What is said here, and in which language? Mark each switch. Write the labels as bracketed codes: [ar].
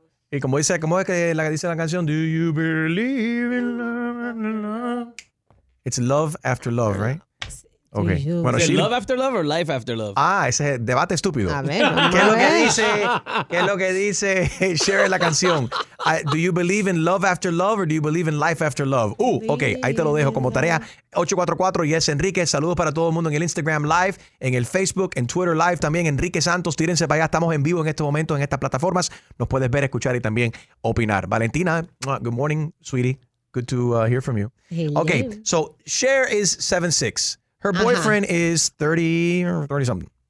[es] Y como dice, ¿cómo es que la, dice la canción? [en] Do you believe in love? It's love after love, right? Okay. [es] Bueno, ¿es [en] love after love or life after love? [es] Ah, ese debate estúpido. A ver, ¿qué es lo que dice? ¿Qué es lo que dice Cher en la canción? [en] Do you believe in love after love or do you believe in life after love? [es] Ok, ahí te lo dejo como tarea. 844 [en] Yes [es] Enrique. Saludos para todo el mundo en el Instagram Live, en el Facebook, en Twitter Live también. Enrique Santos, tírense para allá. Estamos en vivo en este momento en estas plataformas. Nos puedes ver, escuchar y también opinar. Valentina, [en] good morning, sweetie. Good to hear from you. Ok, so Cher is 7'6". Her boyfriend is 30 or 30 something.